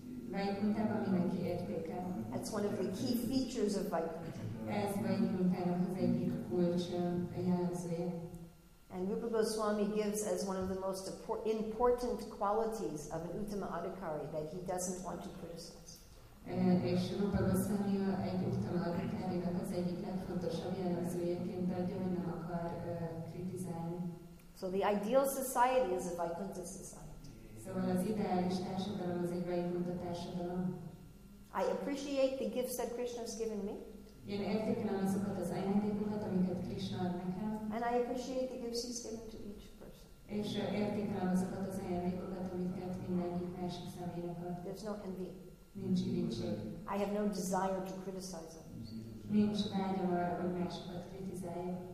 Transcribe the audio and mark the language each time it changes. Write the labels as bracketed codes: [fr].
[en] That's one of the key features of Vaikuntha. And Rupa Goswami gives as one of the most important qualities of an Uttama Adhikari that he doesn't want to criticize. [hu] És Rupa Goswami egy Uttama Adhikárinak az egyik legfontosabb jellemzőjeként adja, hogy nem akar kritizálni. [en] So the ideal society is a Vaikuntha society. [hu] Szóval az ideális társadalom az egy Vaikuntha társadalom. [en] I appreciate the gifts that Krishna has given me. [hu] Én értékelem azokat az ajándékokat, amiket Krishna ad nekem. [en] And I appreciate the gifts he's given to each person. [hu] És értékelem azokat az ajándékokat, amiket mindegyik másik személynek ad. [en] There's no envy. [hu] Nincs. [en] I have no desire to criticize them. [hu] Nincs vágyam arra, hogy másokat kritizáljam.